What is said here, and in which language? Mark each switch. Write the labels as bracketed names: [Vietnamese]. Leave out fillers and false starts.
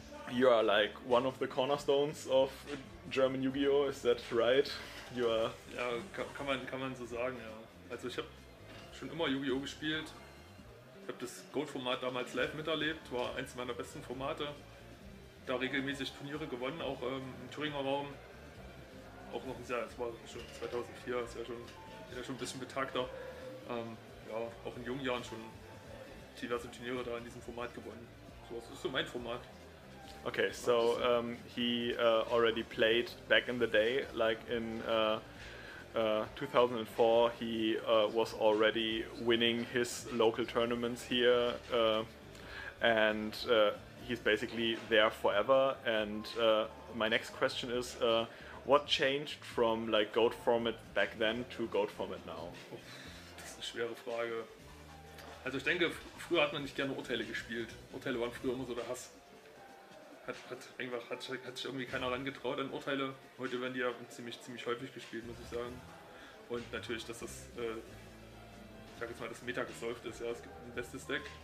[English] You are like one of the cornerstones of German Yu-Gi-Oh! Is that right? You are. [German] Ja, kann man so sagen, ja. Also ich habe schon immer Yu-Gi-Oh! Gespielt. Ich habe das Gold-Format damals live miterlebt. War eins meiner besten Formate. Da regelmäßig Turniere gewonnen, auch im Thüringer Raum. Auch noch ein Jahr, es war schon 2004, ist ja schon, wieder schon ein bisschen betagter. Ja, auch in jungen Jahren schon diverse Turniere da in diesem Format gewonnen. So, das ist so mein Format. [English] Okay, so he already played back in the day, like in 2004, he was already winning his local tournaments here, and he's basically there forever. And my next question is, what changed from like GOAT format back then to GOAT format now? [German] Oh, das ist eine schwere Frage. Also ich denke, früher hat man nicht gerne Urteile gespielt. Urteile waren früher immer so der Hass. Hat sich irgendwie keiner herangetraut an Urteile. Heute werden die ja ziemlich häufig gespielt, muss ich sagen. Und natürlich, dass das, ich sag jetzt mal, das Meta gesäuft ist. Ja, es gibt ein bestes Deck.